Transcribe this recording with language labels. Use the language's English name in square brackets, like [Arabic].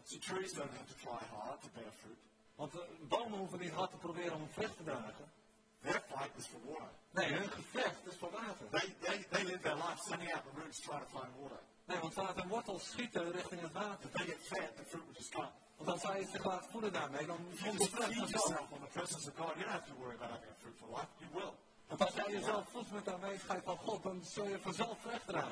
[English] So trees don't have to try hard to bear fruit. [Dutch] Want bomen hoeven niet hard te proberen om vrucht te dragen. [English] Their fight is for water. [Dutch] Nee, hun gevecht is voor water. [English] They live their life sending out the roots trying to find water. [Dutch] Nee, want ze laten een wortel schieten richting het water. [English] They get fed, the fruit will just come. [Dutch] Want als zij zich laat voeden daarmee, dan vond ze het niet zo. [English] On the presence of God, you don't have to worry about having a fruitful life. You will. [Dutch] Want als jij jezelf voedt met de aanwezigheid van God, dan zul je vanzelf vrucht dragen.